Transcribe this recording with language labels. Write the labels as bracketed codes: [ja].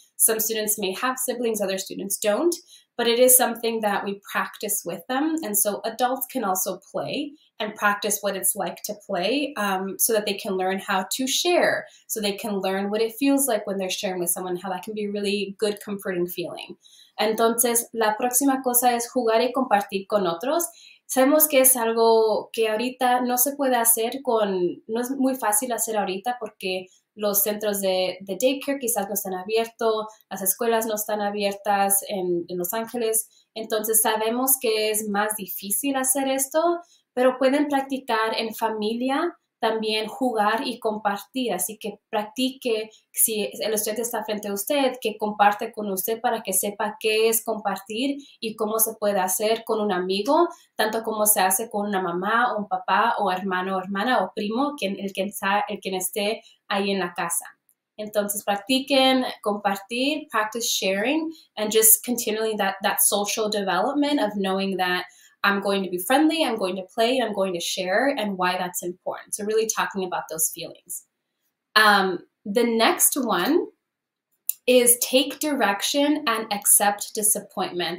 [en] Some students may have siblings, other students don't, but it is something that we practice with them. And so adults can also play and practice what it's like to play, so that they can learn how to share, so they can learn what it feels like when they're sharing with someone, how that can be a really good, comforting feeling. [es] Entonces, la próxima cosa es jugar y compartir con otros. Sabemos que es algo que ahorita no se puede hacer no es muy fácil hacer ahorita porque los centros de daycare quizás no están abiertos, las escuelas no están abiertas en Los Ángeles. Entonces sabemos que es más difícil hacer esto, pero pueden practicar en familia también jugar y compartir. Así que practique si el estudiante está frente a usted, que comparte con usted para que sepa qué es compartir y cómo se puede hacer con un amigo, tanto como se hace con una mamá o un papá o hermano o hermana o primo, quien esté ahí en la casa. Entonces, practiquen, compartir, [en] practice sharing, and just continually that social development of knowing that I'm going to be friendly, I'm going to play, I'm going to share, and why that's important. So really talking about those feelings. The next one is take direction and accept disappointment.